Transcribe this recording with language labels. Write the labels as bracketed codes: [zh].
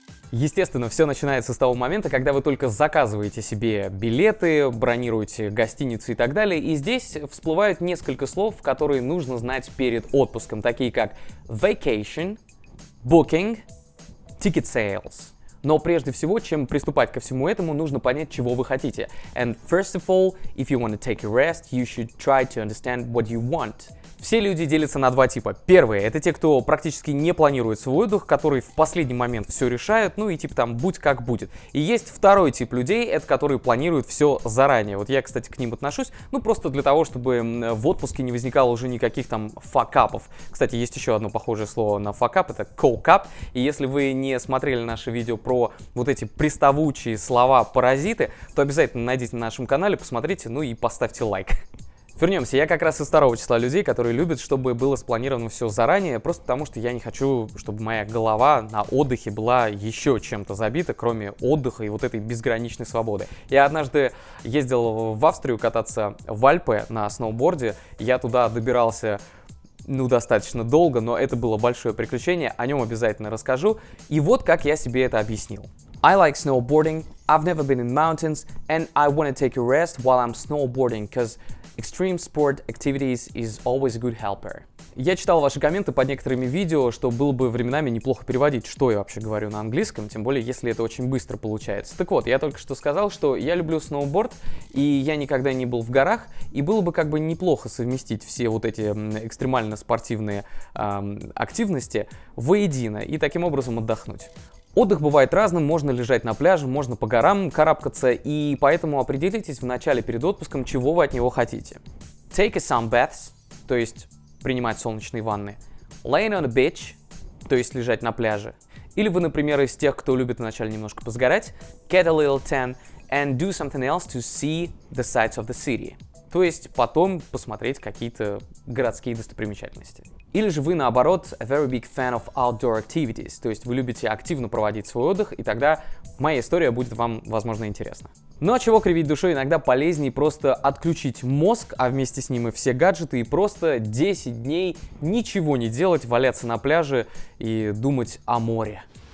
[ru] Естественно, все начинается с того момента, когда вы только заказываете себе билеты, бронируете гостиницы и так далее. И здесь всплывают несколько слов, которые нужно знать перед отпуском, такие как vacation, booking, ticket sales. Но прежде всего, чем приступать ко всему этому, нужно понять, чего вы хотите. [en] And first of all, if you want to take a rest, you should try to understand what you want. [ru] Все люди делятся на два типа. Первые — это те, кто практически не планирует свой отдых, которые в последний момент все решают, ну и типа там будь как будет. И есть второй тип людей, это которые планируют все заранее. Вот я, кстати, к ним отношусь, ну просто для того, чтобы в отпуске не возникало уже никаких там факапов. Кстати, есть еще одно похожее слово на факап, это коукап. И если вы не смотрели наше видео про вот эти приставучие слова-паразиты, то обязательно найдите на нашем канале, посмотрите, ну и поставьте лайк. Вернемся, я как раз из второго числа людей, которые любят, чтобы было спланировано все заранее, просто потому что я не хочу, чтобы моя голова на отдыхе была еще чем-то забита, кроме отдыха и вот этой безграничной свободы. Я однажды ездил в Австрию кататься в Альпы на сноуборде, я туда добирался, ну, достаточно долго, но это было большое приключение, о нем обязательно расскажу, и вот как я себе это объяснил. [en] I like snowboarding, I've never been in mountains, and I want to take a rest while I'm snowboarding, because extreme sport activities is always a good helper. [ru] Я читал ваши комменты под некоторыми видео, что было бы временами неплохо переводить, что я вообще говорю на английском, тем более, если это очень быстро получается. Так вот, я только что сказал, что я люблю сноуборд, и я никогда не был в горах, и было бы как бы неплохо совместить все вот эти экстремально-спортивные активности воедино, и таким образом отдохнуть. Отдых бывает разным, можно лежать на пляже, можно по горам карабкаться, и поэтому определитесь в начале перед отпуском, чего вы от него хотите. [en] Take a sun bath, [ru] то есть принимать солнечные ванны. [en] Laying on a beach, [ru] то есть лежать на пляже. Или вы, например, из тех, кто любит вначале немножко позагорать. [en] Get a little tan and do something else to see the sights of the city. [ru] То есть потом посмотреть какие-то городские достопримечательности. Или же вы, наоборот, [en] a very big fan of outdoor activities, [ru] то есть вы любите активно проводить свой отдых, и тогда моя история будет вам, возможно, интересна. Ну а чего кривить душой, иногда полезнее просто отключить мозг, а вместе с ним и все гаджеты, и просто 10 дней ничего не делать, валяться на пляже и думать о море.